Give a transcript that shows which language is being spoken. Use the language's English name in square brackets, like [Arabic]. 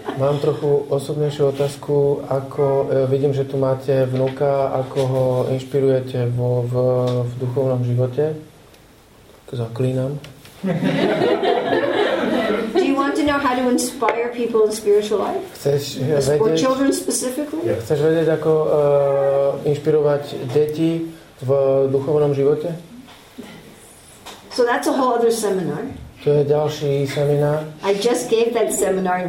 [Slovak] Mám trochu osobnejšiu otázku, ako vidím, že tu máte vnuka, ako ho inšpirujete v duchovnom živote. Zaklínam. [English] Do you want to know how to inspire people in spiritual life? [Slovak] Chceš vedieť, [English] for children specifically? Yeah. [Slovak] Chceš vedieť, ako inšpirovať deti v duchovnom živote? [English] So that's a whole other seminar. [Slovak] To je ďalší seminár. [English] I just gave that seminar.